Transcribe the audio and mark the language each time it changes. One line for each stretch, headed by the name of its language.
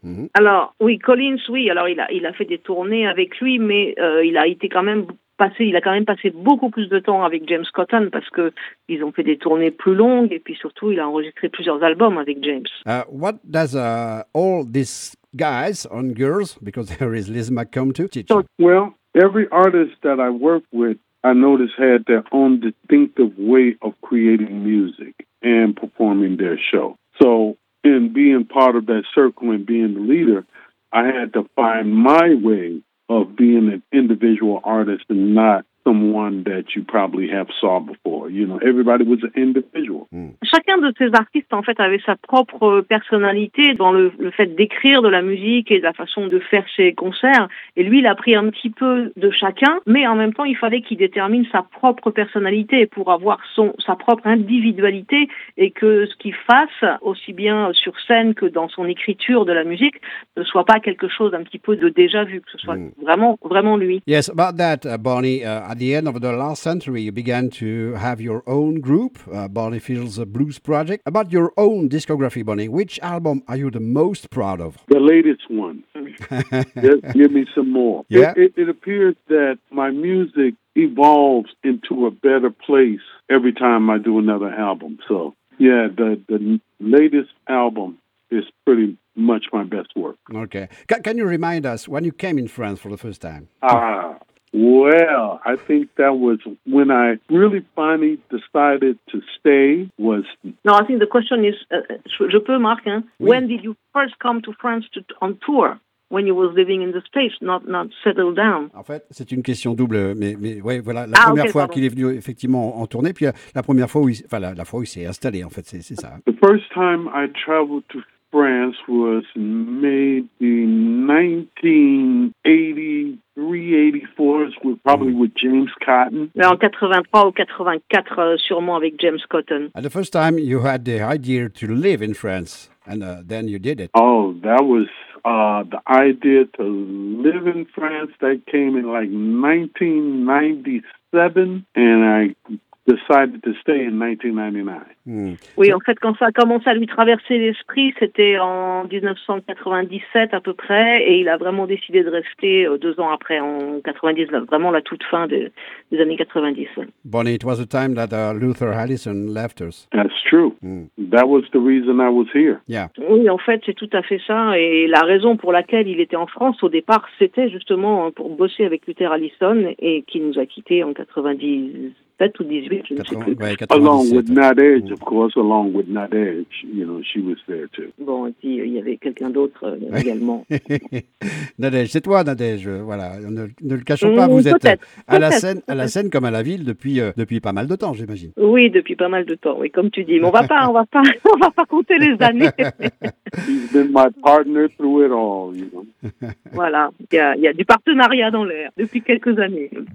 French: Mm-hmm. Alors, oui, Collins, oui, alors il a fait des tournées avec lui, mais il a été quand même... Il a quand même passé beaucoup plus de temps avec James Cotton parce qu'ils ont fait des tournées plus longues et puis surtout, il a enregistré plusieurs albums avec James.
English: What does all these guys on girls, because there is Liz McComb too, teach you? Well, every artist that I work with, I noticed had their own distinctive way of creating music and performing their show. So in being part of that circle and being the leader, I had to find my way of being an individual artist and not someone that you probably have saw before. You know, everybody was an individual. Mm.
French: Chacun de ces artistes, en fait, avait sa propre personnalité dans le fait d'écrire de la musique et de la façon de faire ses concerts. Et lui, il a pris un petit peu de chacun, mais en même temps, il fallait qu'il détermine sa propre personnalité pour avoir sa propre individualité et que ce qu'il fasse, aussi bien sur scène que dans son écriture de la musique, ne soit pas quelque chose un petit peu de déjà vu, que ce soit vraiment, vraiment lui.
English: Yes, about that, Bonnie. At the end of the last century, you began to have your own group, Bonnie Fields Blues Project. About your own discography, Bonnie, which album are you the most proud of? The latest one. Give me some more. Yeah. It appears that my music evolves into a better place every time I do another album. So, yeah, the latest album is pretty much my best work. Okay. Can you remind us when you came in France for the first time? Well, I think that was when I really finally decided to stay was... No, I think the question is,
French: je peux, Marc, hein? Oui.
English: When did you first come to France on tour? When you were living in the States, not settled down.
French: En fait, c'est une question double, mais ouais, voilà, la première fois qu'il est venu effectivement en tournée, puis la première fois où la fois où il s'est installé, en fait, c'est ça.
English: The first time I traveled to France was maybe 1983-84, probably with James Cotton.
French: Mais en 83 ou 84, sûrement avec James Cotton.
English: And the first time you had the idea to live in France, and then you did it. Oh, that was the idea to live in France that came in like 1997, and I decided to stay in 1999.
French: Mm. Oui, en fait, quand ça a commencé à lui traverser l'esprit, c'était en 1997 à peu près, et il a vraiment décidé de rester deux ans après, en 99, vraiment la toute fin des années 90.
English: Bonnie, it was the time that Luther Allison left us. That's true. Mm. That was the reason I was here. Yeah.
French: Oui, en fait, c'est tout à fait ça, et la raison pour laquelle il était en France au départ, c'était justement pour bosser avec Luther Allison, et qui nous a quittés en 90.
English: Along with Nadege, of course, along with Nadege, you know, she was there too.
French: Bon, et puis, il y avait quelqu'un d'autre également. Nadege, c'est toi, Nadege, voilà, ne le cachons pas, vous peut-être, êtes peut-être, à la scène, à la scène comme à la ville depuis pas mal de temps, j'imagine. Oui, depuis pas mal de temps, oui, comme tu dis, mais on va pas compter les années.
English: He's been my partner through it all, you know.
French: Voilà, il y a du partenariat dans l'air depuis quelques années.